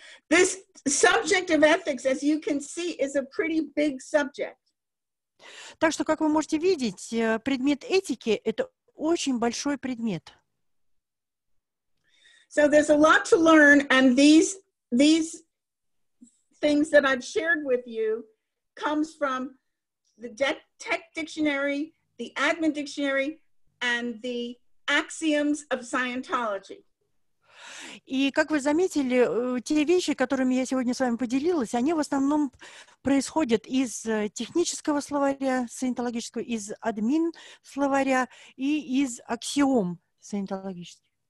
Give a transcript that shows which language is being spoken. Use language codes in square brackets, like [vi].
[en] This subject of ethics, as you can see, is a pretty big subject. [ru] Так что, как вы можете видеть, предмет этики — это очень большой предмет. [en] So there's a lot to learn, and these things that I've shared with you comes from the Tech Dictionary, the Admin Dictionary, and the Axioms of Scientology. [ru] И, как вы заметили, те вещи, которыми я сегодня с вами поделилась, они в основном происходят из технического словаря саентологического, из админ-словаря и из аксиом саентологических.